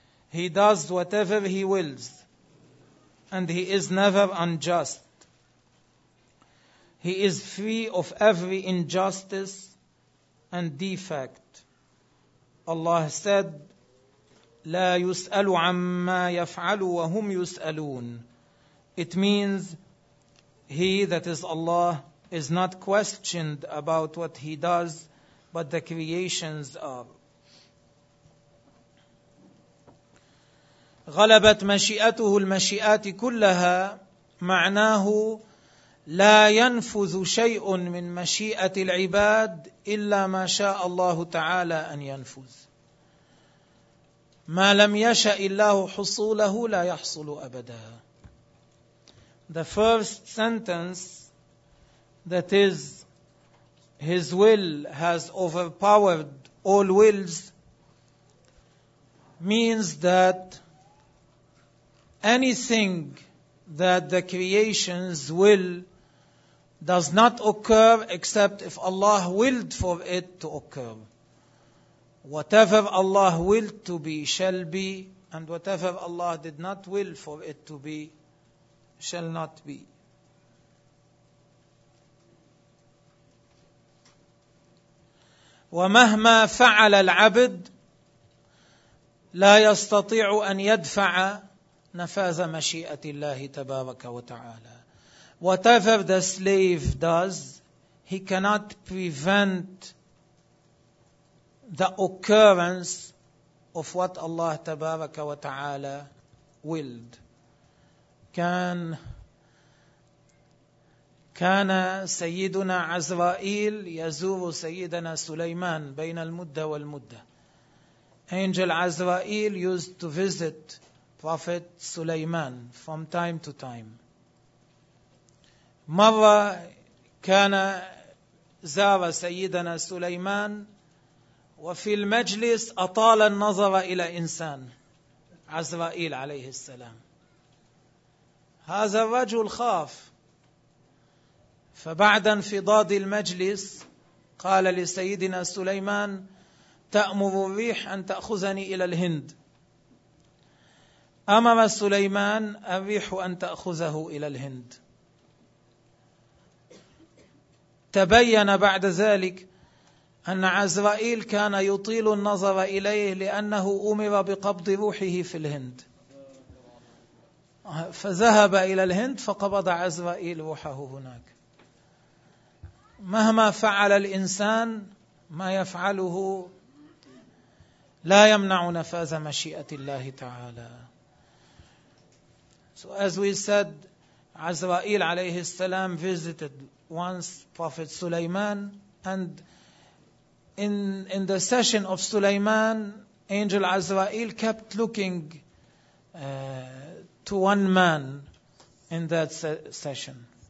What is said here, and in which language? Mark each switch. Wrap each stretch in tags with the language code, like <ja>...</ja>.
<en>He does whatever he wills, and he is never unjust. He is free of every injustice and defect. Allah said,</en> <ar>لا يسأل عما يفعل وهم يسألون.</ar> <en>It means, he that is Allah is not questioned about what he does, but the creations are.</en> <ar>غلبت مشيئته المشيئات كلها معناه لا ينفذ شيء من مشيئة العباد إلا ما شاء الله تعالى أن ينفذ. ما لم يشأ الله حصوله لا يحصل أبدا.</ar> <en>The first sentence, that is, his will has overpowered all wills, means that anything that the creations will does not occur except if Allah willed for it to occur. Whatever Allah willed to be shall be And whatever Allah did not will for it to be, shall not be.</en> <ar>ومهما فعل العبد لا يستطيع أن يدفع نفاذ مشيئة الله تبارك وتعالى.</ar> <en>Whatever the slave does, he cannot prevent the occurrence of what Allah</en> <ar>تبارك وتعالى</ar> <en>willed.</en> <ar>كان سيدنا عزرائيل يزور سيدنا سليمان بين المدة والمدة.</ar> <en>Angel Azrael used to visit Prophet Sulaiman from time to time.</en> <ar>مرة كان زار سيدنا سليمان وفي المجلس أطال النظر إلى إنسان عزرائيل عليه السلام. هذا الرجل خاف، فبعد انفضاض المجلس قال لسيدنا سليمان: تأمر الريح أن تأخذني إلى الهند. أمر سليمان الريح أن تأخذه إلى الهند. تبين بعد ذلك أن عزرائيل كان يطيل النظر إليه لأنه أمر بقبض روحه في الهند، فذهب إلى الهند فقبض عزرائيل روحه هناك. مهما فعل الإنسان، ما يفعله لا يمنع نفاذ مشيئة الله تعالى.</ar> <en>So as we said, عزرائيل عليه السلام visited once Prophet Sulaiman, and in the session of Sulaiman, Angel Azrael kept looking to one man in that session.</en>